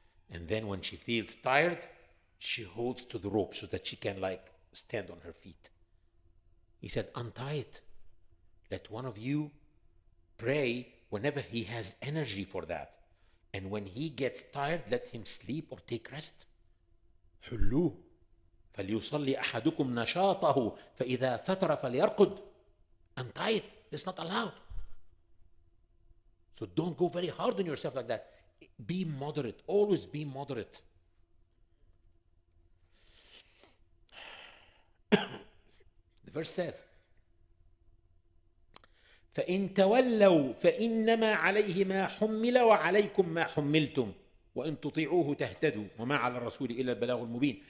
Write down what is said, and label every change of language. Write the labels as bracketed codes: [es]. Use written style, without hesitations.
[en] And then when she feels tired, she holds to the rope so that she can like stand on her feet. He said, untie it. Let one of you pray whenever he has energy for that. And when he gets tired, let him sleep or take rest. [ar] حلو فليصلي أحدكم نشاطه فإذا فتر فليرقد. [en] Untie it. It's not allowed. So don't go very hard on yourself like that. Be moderate. Always be moderate. The verse says, [ar] فَإِن تَوَلَّوْا فَإِنَّمَا عَلَيْهِ مَا حُمِّلَ وَعَلَيْكُمْ مَا حُمِّلْتُمْ وَإِن تُطِعُوهُ تَهْتَدُوا وَمَا عَلَى الرَّسُولِ إِلَّا الْبَلَاغُ الْمُبِينَ.